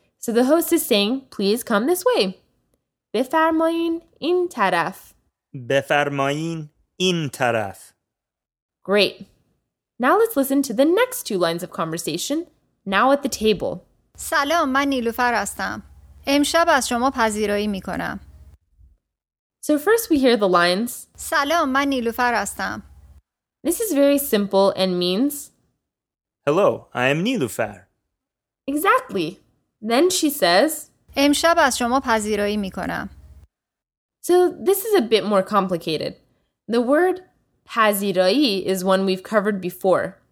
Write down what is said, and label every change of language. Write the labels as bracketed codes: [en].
[en] So the host is saying, please come this way. [fa] بفرمایین این طرف. بفرمایین این طرف. [en] Great. Now let's listen to the next two lines of conversation, now at the table. [fa] سلام، من نیلوفر هستم. امشب از شما پذیرایی میکنم. [en] So first we hear the lines. [fa] سلام، من نیلوفر هستم. [en] This is very simple and means... Hello, I am Niloufar. Exactly. Then she says... [fa] امشب از شما پذیرایی میکنم. [en] So this is a bit more complicated. The word پذیرایی is one we've covered before.